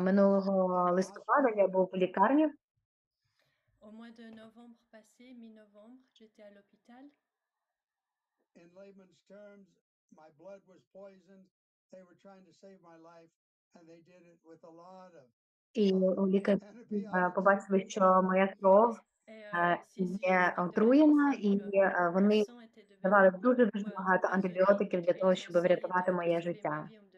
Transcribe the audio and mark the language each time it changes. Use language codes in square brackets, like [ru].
[uk] Минулого листопада я був у лікарні. [fr] Au mois de novembre passé, mi-novembre, j'étais à l'hôpital. [en] In layman's terms, my blood was poisoned. They were trying to save my life and they did it with a lot of. [uk] І у лікарі побачили, що моя кров є отруєна, і вони давали дуже-дуже багато антибіотиків для того, щоб врятувати моє життя.